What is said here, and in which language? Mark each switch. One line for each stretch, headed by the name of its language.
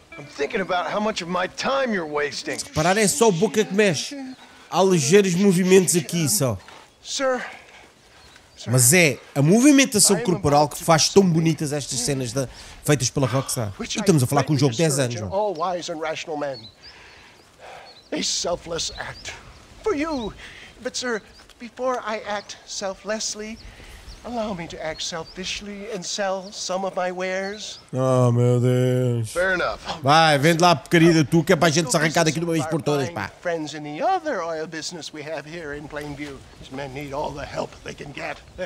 English: I'm thinking about how much of my time you're wasting.
Portuguese: Se parar é só a boca que mexe. Há ligeiros movimentos aqui só.
English: Sir.
Portuguese: Mas é a movimentação corporal que faz tão bonitas estas cenas da, feitas pela Rockstar. E estamos a falar com um jogo de 10 anos,
English: all wise and rational men. A selfless act. For you. But, sir, before I act selflessly, allow me to act selfishly and sell some of my wares.
Portuguese: Oh, meu Deus.
English: Fair enough.
Portuguese: Vai, vende lá, porcaria de tu, que é para a gente se arrancar daqui de uma vez por todas, pá.
English: Friends in the other oil business we have here in Plainview. These men need all the help they can get.